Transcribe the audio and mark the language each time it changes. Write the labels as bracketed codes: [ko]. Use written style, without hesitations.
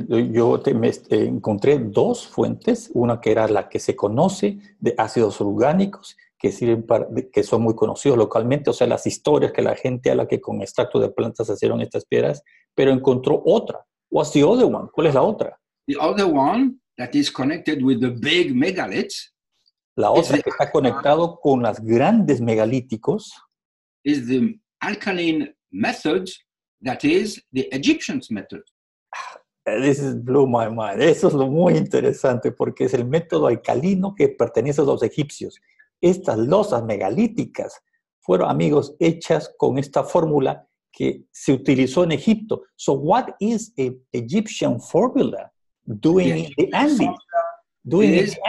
[es] Encontré dos fuentes, una que era la que se conoce de ácidos orgánicos que sirven para, que son muy conocidos localmente, o sea, las historias que la gente a la que con extracto de plantas hicieron estas piedras, pero encontró otra. [en] What's the other one? [es] ¿Cuál es la otra? [en] The other one that is connected with the big megaliths. [es] La otra que está conectado con las grandes megalíticos [en] is the alkaline methods, that is the Egyptians method. This is blew my mind. [es] Eso es lo muy interesante porque es el método alcalino que pertenece a los egipcios. Estas losas megalíticas fueron, amigos, hechas con esta fórmula que se utilizó en Egipto. [en] So what is an Egyptian formula doing in the Andes?